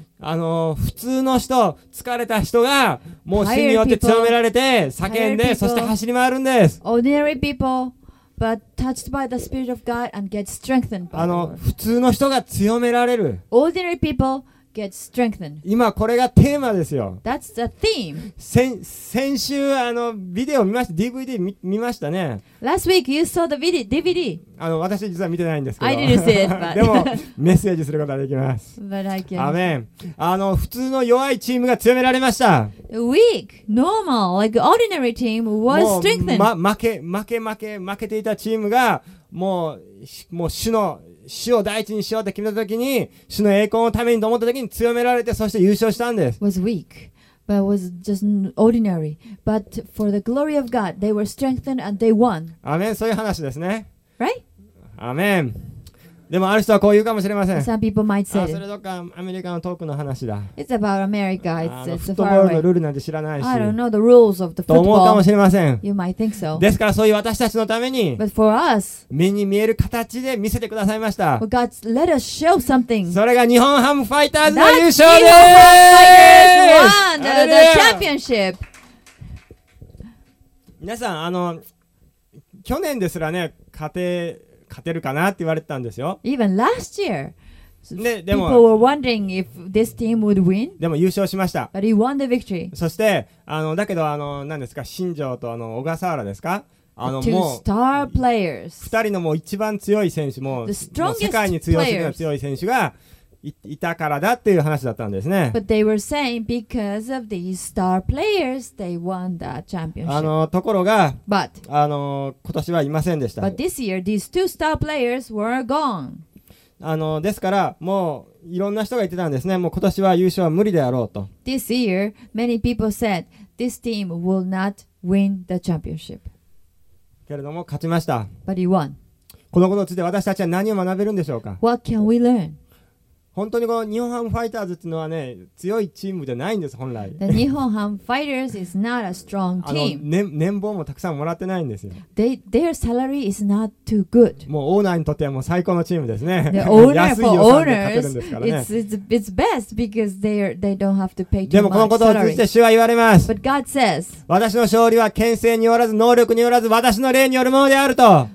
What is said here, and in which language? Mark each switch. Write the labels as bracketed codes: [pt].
[ja] あの普通の人、疲れた人がもう神によって強められて叫んで、 [en] Tired people. [ja] そして走り回るんです。 [en] Ordinary people. But touched by the Spirit of God and get strengthened by the Lord. [ja] 普通の人が強められる。 [en] Ordinary people get strengthened. [ja] 今これがテーマですよ。 [en] That's the theme. [ja] 先週あのビデオ見ました、DVD 見ましたね。 [en] Last week you saw the DVD. [ja] あの私実は見てないんですけど。 [en] I didn't see it, but. [ja] でもメッセージすることができます。 [en] But I can. [ja] アメン。あの普通の弱いチームが強められました。 [en] Weak, normal, like ordinary team was strengthened. [ja] もう、ま、負けていたチームがもう主の主を第一にしようって決めたときに、主の栄光のためにと思ったときに強められて、そして優勝したんです。 [en] Was weak, but was just ordinary. But for the glory of God, they were strengthened and they won. [ja] アメン、そういう話ですね。 [en] Right? [ja] アメン。でもある人はこう言うかもしれません。 [en] Some people might say. [ja] それどっかアメリカのトークの話だ。 [en] It's about America. It's far away. [ja] フットボールのルールなんて知らないし。 [en] I don't know the rules of the football. [ja] と思うかもしれません。 [en] You might think so. [ja] ですからそういう私たちのために。 [en] But for us. [ja] 目に見える形で見せてくださいました。 [en] But God let us show something. [ja] それが日本ハムファイターズの優勝です。 [en] That's 日本ハムファイターズ won the championship. [ja] 皆さんあの去年ですらね勝てるかなって言われてたんですよ。 [en] Even last year, [ja] で [en] people were wondering if this team would win. [ja] でも優勝しました。 [en] But he won the victory. [ja] そしてあのだけどあの何ですか、新庄とあの小笠原ですか。あの [en] もう two star players. [ja] 二人のもう一番強い選手、もう世界に通用するような強い選手がいたからだっていう話だったんですね。 [en] But they were saying because of these star players, they won the championship. [ja] あのところが、 [en] But [ja] あの今年はいませんでした。 [en] But this year, these two star players were gone. [ja] あのですからもういろんな人が言ってたんですね。もう今年は優勝は無理であろうと。 [en] This year, many people said this team will not win the championship. [ja] けれども勝ちました。 [en] But he won. [ja] このことについて私たちは何を学べるんでしょうか。 [en] What can we learn? [ja] 本当にこの日本ハムファイターズっていうのはね、強いチームじゃないんです本来。 [en] The 日本ハムファイターズ is not a strong team. [ja] あの年俸もたくさんもらってないんですよ。 [en] Their salary is not too good. [ja] もうオーナーにとってはもう最高のチームですね。 [en] The owner [ja] 安い予算で勝てるんですからね。 [en] It's best because they don't have to pay too much. [ja] でもこのことを通じて主は言われます。 [en] But God says, [ja] 私の勝利は権勢によらず能力によらず私の霊によるものであると。